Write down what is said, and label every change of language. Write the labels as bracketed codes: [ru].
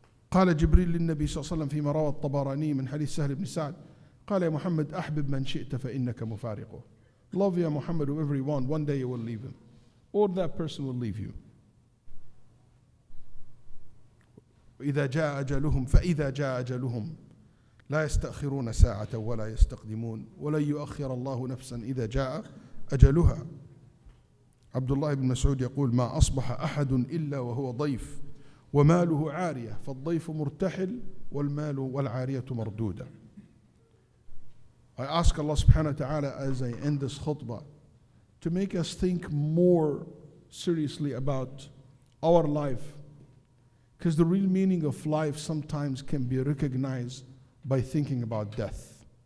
[ar] قال جبريل للنبي صلى الله عليه وسلم فيما روى الطبراني من حديث سهل بن سعد قال يا محمد أحبب من شئت فإنك مفارقه. [en] Love ya Muhammad whoever you want. One day you will leave him. Or that person will leave you. [ar] إذا جاء أجلهم فإذا جاء أجلهم لا يستأخرون ساعة ولا يستقدمون ولن يؤخر الله نفسا إذا جاء أجلها. عبد الله بن مسعود يقول ما أصبح أحد إلا وهو ضيف وماله عارية فالضيف مرتحل والمال والعارية مردودة. [en] I ask Allah subhanahu wa ta'ala as I end this khutbah to make us think more seriously about our life, because the real meaning of life sometimes can be recognized by thinking about death.